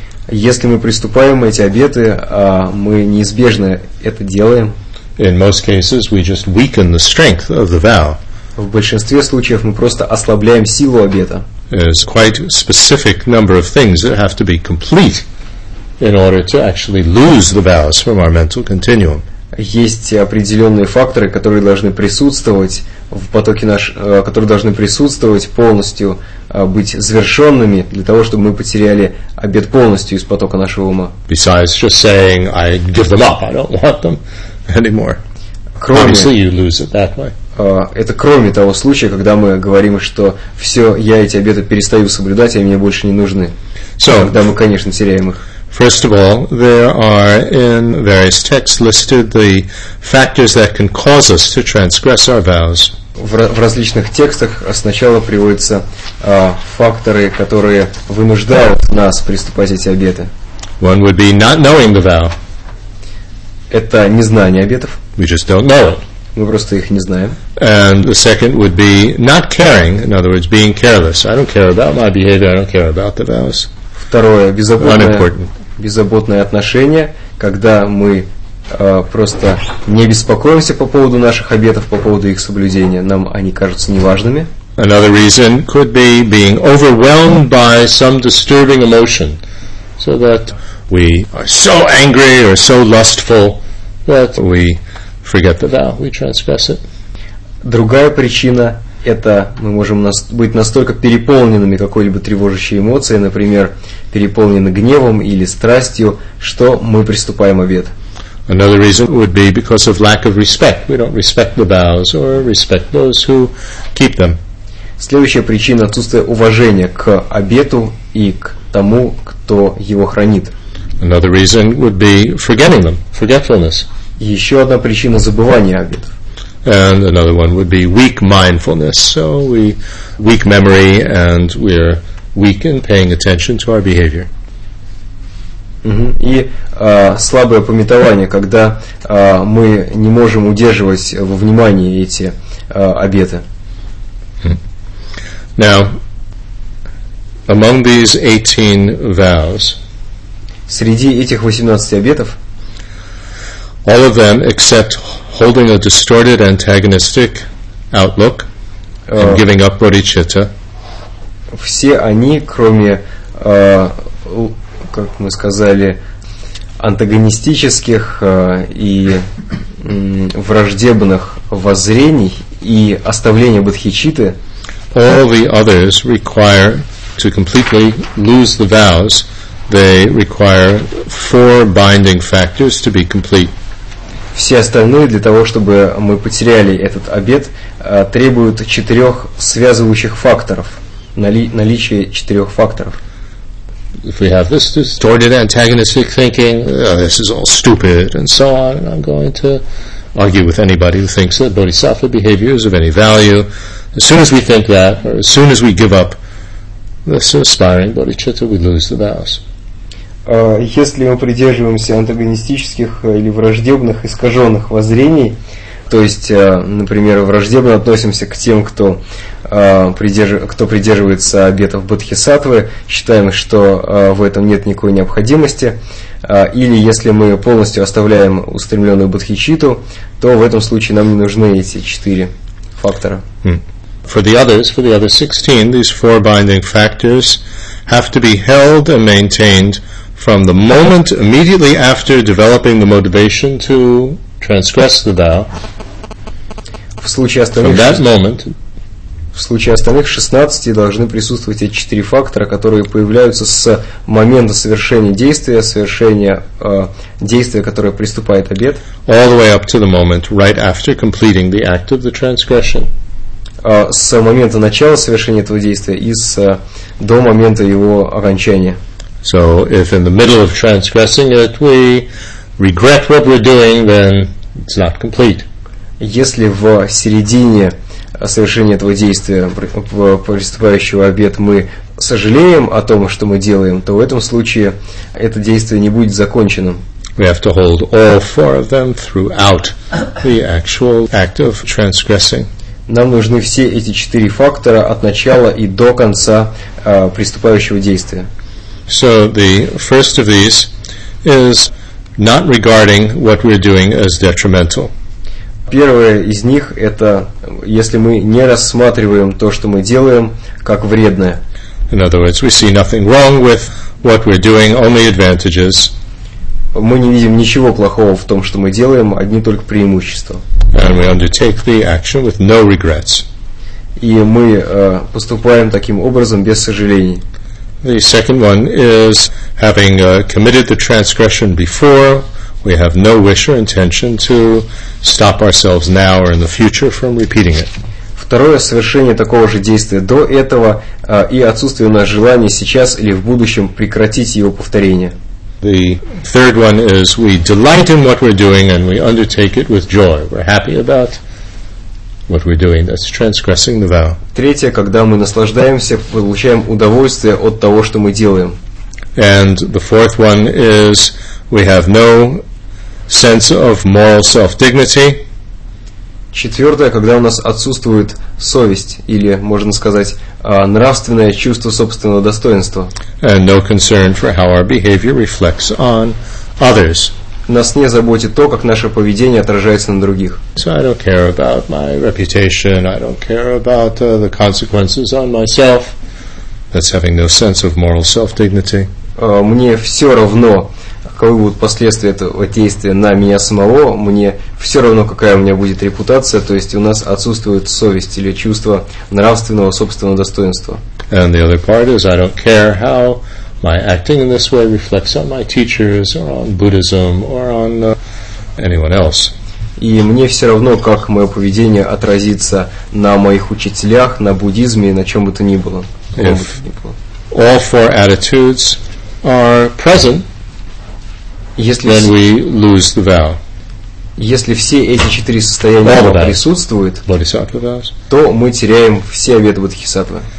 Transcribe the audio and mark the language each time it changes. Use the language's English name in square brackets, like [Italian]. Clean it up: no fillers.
[Russian] если мы приступаем эти обеты, мы неизбежно это делаем. [English] In most cases we just weaken the strength of the vow. [Russian] В большинстве случаев мы просто ослабляем силу обета. [English] There's quite a specific number of things that have to be complete in order to actually lose the vows from our mental continuum. [Russian] есть определенные факторы, которые должны присутствовать в потоке наш, которые должны присутствовать полностью, быть завершенными для того, чтобы мы потеряли обет полностью из потока нашего ума. [English] Besides just saying I give them up, I don't want them anymore. Obviously you lose it that way. [Russian] Это кроме того случая, когда мы говорим, что все, я эти обеты перестаю соблюдать, они мне больше не нужны. [English] So, [Russian] тогда мы, конечно, теряем их. [English] First of all, there are in various texts listed the factors that can cause us to transgress our vows. [Russian] В различных текстах сначала приводятся факторы, которые вынуждают нас приступать эти обеты. [English] One would be not knowing the vow. [Russian] Это незнание обетов. [English] We just don't know it. [Russian] Мы просто их не знаем. [English] And the second would be not caring, in other words, being careless. I don't care about my behavior, I don't care about the vows. [Russian] Второе, беззаботное отношение, когда мы просто не беспокоимся по поводу наших обетов, по поводу их соблюдения, нам они кажутся неважными. [English] Another reason could be being overwhelmed by some disturbing emotion, so that we are so angry or so lustful that we forget the vow, we transgress it. [Russian] Другая причина – это мы можем быть настолько переполненными какой-либо тревожащей эмоцией, например, переполнены гневом или страстью, что мы приступаем обет. [English] Another reason would be because of lack of respect. We don't respect the vows or respect those who keep them. [Russian] Следующая причина – отсутствие уважения к обету и к тому, кто его хранит. [English] Another reason would be forgetting them, forgetfulness. [Russian] Еще одна причина – забывание обетов. [English] And another one would be weak mindfulness. So we weak memory and we're weak in paying attention to our behavior. [Russian] И слабое памятование, когда мы не можем удерживать во внимании эти обеты. [English] Now, among these 18 vows, [Russian] среди этих 18 обетов, [English] all of them except holding a distorted antagonistic outlook and giving up bodhicitta, [Russian] все они, кроме, как мы сказали, антагонистических и враждебных воззрений и оставления бодхичитты, [English] all the others require to completely lose the vows, they require four binding factors to be complete. [Russian] Все остальные для того, чтобы мы потеряли этот обет, требуют четырех связывающих факторов. Наличие четырех факторов. [English] If we have this distorted antagonistic thinking, this is all stupid, and so on, and I'm going to argue with anybody who thinks that bodhisattva behavior is of any value. As soon as we think that, or as soon as we give up this aspiring bodhicitta, we lose the vows. [Russian] Если мы придерживаемся антагонистических или враждебных искаженных воззрений, то есть, например, враждебно относимся к тем, кто придерживается обетов бодхисаттвы, считаем, что в этом нет никакой необходимости, или если мы полностью оставляем устремленную бодхичитту, то в этом случае нам не нужны эти четыре фактора. [English] For the other 16, these four binding factors have to be held and maintained from the moment immediately after developing the motivation to transgress the vow. [Russian] В случае остальных 16 должны присутствовать эти четыре фактора, которые появляются с момента совершения действия, которое приступает обет. [English] All the way up to the moment right after completing the act of the transgression. [Russian] С момента начала совершения этого действия и до момента его окончания. [English] So if in the middle of transgressing it we regret what we're doing, then it's not complete. [Russian] Если в середине совершения этого действия, приступающего обет, мы сожалеем о том, что мы делаем, то в этом случае это действие не будет законченным. [English] We have to hold all four of them throughout the actual act of transgressing. [Russian] Нам нужны все эти четыре фактора от начала и до конца приступающего действия. [English] So the first of these is not regarding what we're doing as detrimental. [Russian] Первое из них – это если мы не рассматриваем то, что мы делаем, как вредное. [English] In other words, we see nothing wrong with what we're doing, only advantages. [Russian] мы не видим ничего плохого в том, что мы делаем, одни только преимущества. [English] And we undertake the action with no regrets. [Russian] И мы поступаем таким образом без сожалений. [English] The second one is having committed the transgression before, we have no wish or intention to stop ourselves now or in the future from repeating it. [Russian] Второе – совершение такого же действия до этого и отсутствие у нас желания сейчас или в будущем прекратить его повторение. [English] The third one is we delight in what we're doing and we undertake it with joy. We're happy about what we're doing. That's transgressing the vow. [Russian] Третье, когда мы наслаждаемся, получаем удовольствие от того, что мы делаем. [English] And the fourth one is we have no sense of moral self-dignity. [Russian] Четвертое, когда у нас отсутствует совесть или, можно сказать, нравственное чувство собственного достоинства. [English] And no concern for how our behavior reflects on others. [Russian] Нас не заботит то, как наше поведение отражается на других. [English] So I don't care about my reputation, I don't care about the consequences on myself. That's having no sense of moral self-dignity. [Russian] Мне все равно, каковы будут последствия этого действия на меня самого, мне все равно, какая у меня будет репутация, то есть у нас отсутствует совесть или чувство нравственного собственного достоинства. [English] And the other part is I don't care how my acting in this way reflects on my teachers or on Buddhism or on anyone else. [Russian] И мне все равно, как мое поведение отразится на моих учителях, на буддизме, на чем бы то ни было. [English] All four attitudes are present. [Russian] Если, [English] then we lose the vow. [Russian] Если все эти четыре состояния присутствуют, то мы теряем все обеты бодхисаттвы.